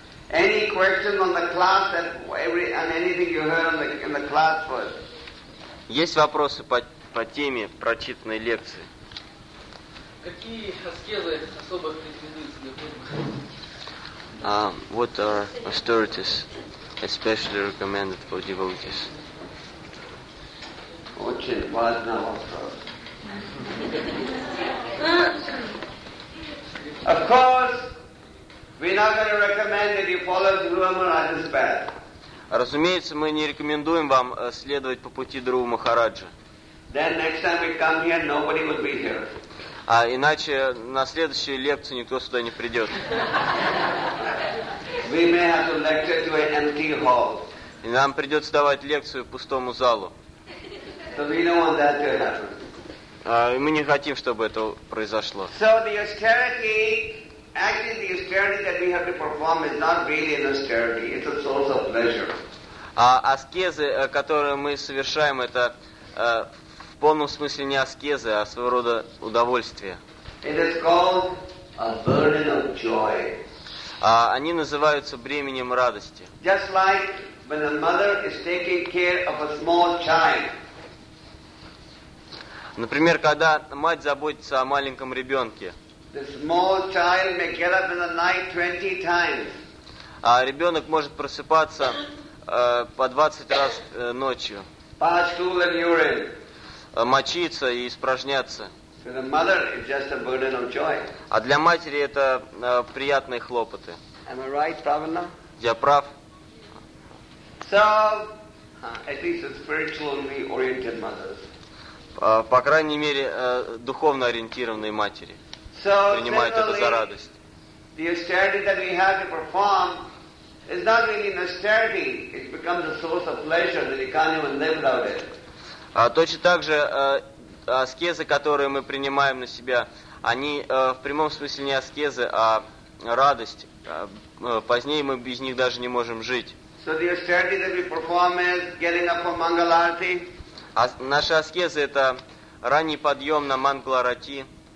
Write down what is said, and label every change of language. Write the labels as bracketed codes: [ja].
[en] Any questions on the class that every on anything you heard on the in the class first? [ru] Есть вопросы по теме прочитанной лекции? Какие аскезы особо рекомендуются для [en] What are austerities especially recommended for devotees? [ru] Очень важный вопрос. [en] Of course. We're not going to recommend that you follow Guru Maharaj's path. [ru] Разумеется, мы не рекомендуем вам следовать по пути Друва Махараджа. [en] Then next time we come here, nobody will be here. [ru] Иначе на следующую лекцию никто сюда не придет. [en] We may have to lecture to an empty hall. [ru] И нам придется давать лекцию пустому залу. [en] So we don't want that to happen. [ru] Мы не хотим, чтобы это произошло. [en] So the austerity. Actually, the austerity that we have to perform is not really an austerity; it's a source of pleasure. [ru] Аскезы, которые мы совершаем, это в полном смысле не аскезы, а своего рода удовольствие. [en] It is called a burden of joy. [ru] Они называются бременем радости. [en] Just like when a mother is taking care of a small child. [ru] Например, когда мать заботится о маленьком ребенке. [en] The small child may get up in the night 20 times. [ru] Ребенок может просыпаться по 20 раз ночью. [en] Pass stool and urine. [ru] Мочиться и испражняться. [en] For the mother, it's just a burden of joy. [ru] А для матери это приятные хлопоты. [en] Am I right, Pravana? [ru] Я прав. [en] So, at least it's spiritually oriented mothers. [ru] По крайней мере, духовно ориентированные матери. Принимает это за радость. [en] The austerity that we have to perform is not really an austerity. It becomes a source of pleasure that you can't even live without it. [ru] Точно так же аскезы, которые мы принимаем на себя, они в прямом смысле не аскезы, а радость. Позднее мы без них даже не можем жить. [en] So the austerity that we perform is getting up for Mangalarti. [ru] Наши аскезы – это ранний подъем на Мангаларати.